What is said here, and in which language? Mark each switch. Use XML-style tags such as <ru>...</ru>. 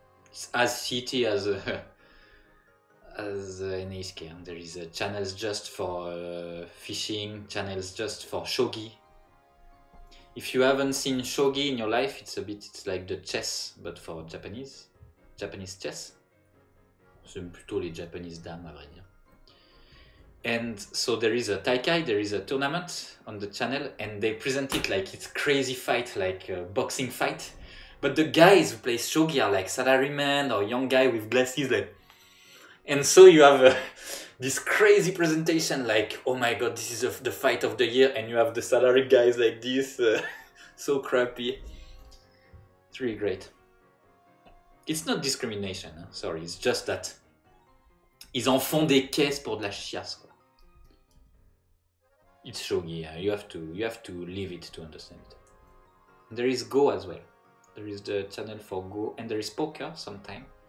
<en>It's as shitty as NHK. And there is a channels just for fishing, channels just for shogi. If you haven't seen shogi in your life, it's a bit, it's like the chess, but for Japanese chess.</en> <fr>C'est plutôt les Japanese dames, à vrai dire.</fr> <en>And so there is a taikai, there is a tournament on the channel, and they present it like it's crazy fight, like a boxing fight. But the guys who play shogi are like salaryman or young guy with glasses. Like... And so you have this crazy presentation, like, oh my god, this is the fight of the year, and you have the salary guys like this, so crappy. It's really great. It's not discrimination, hein? Sorry, it's just that.</en> <fr>Ils en font des caisses pour de la chiasse, quoi.</fr> <en>It's shogi, yeah. you have to leave it to understand it. And there is Go as well. There is the channel for Go, and there is poker sometimes.</en>